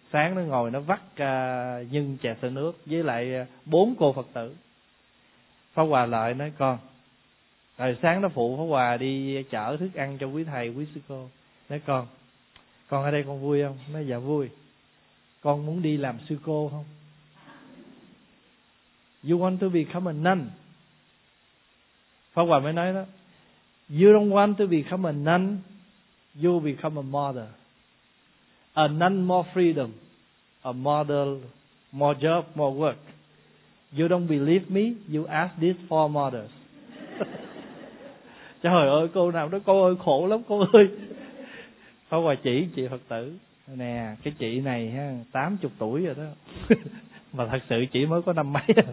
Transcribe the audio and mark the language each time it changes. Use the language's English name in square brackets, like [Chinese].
[Vietnamese] Sáng nó ngồi nó vắt nhân chè sữa nước với lại 4 cô Phật tử. Pháp Hòa lại nói: con, rồi sáng nó phụ Pháp Hòa đi chở thức ăn cho quý thầy quý sư cô. Nói: con ở đây con vui không? Nói: dạ vui. Con muốn đi làm sư cô không? [English] You want to become a nun? [Vietnamese] Pháp Hòa mới nói đó: [English] you don't want to become a nun, you become a mother. A nun more freedom, a mother more job, more work. You don't believe me, you ask these 4 mothers. [Vietnamese] Trời ơi, cô nào đó, cô ơi, khổ lắm cô ơi. Pháp Hòa chị Phật tử nè, cái chị này 80 tuổi rồi đó. Mà thật sự chị mới có năm mấy.